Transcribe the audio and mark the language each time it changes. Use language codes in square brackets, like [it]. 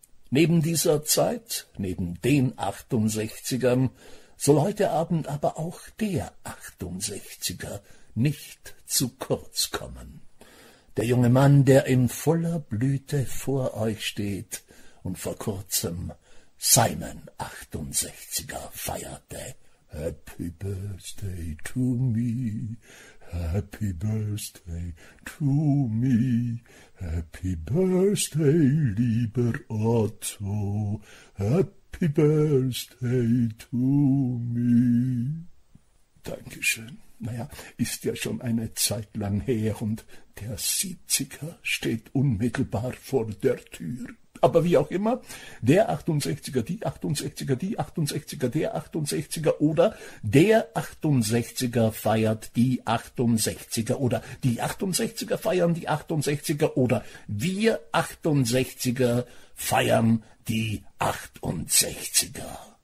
[de] Neben dieser Zeit, neben den 68ern, soll heute Abend aber auch der 68er nicht zu kurz kommen. Der junge Mann, der in voller Blüte vor euch steht, und vor kurzem seinen 68er feierte. [en] Happy Birthday to me, Happy Birthday to me, Happy Birthday, [de] lieber [en] Otto, Happy Birthday to me. [de] Dankeschön. Naja, ist ja schon eine Zeit lang her und der 70er steht unmittelbar vor der Tür. aber wie auch immer, der 68er, die 68er, die 68er, der 68er oder der 68er feiert die 68er oder die 68er feiern die 68er oder wir 68er feiern die 68er.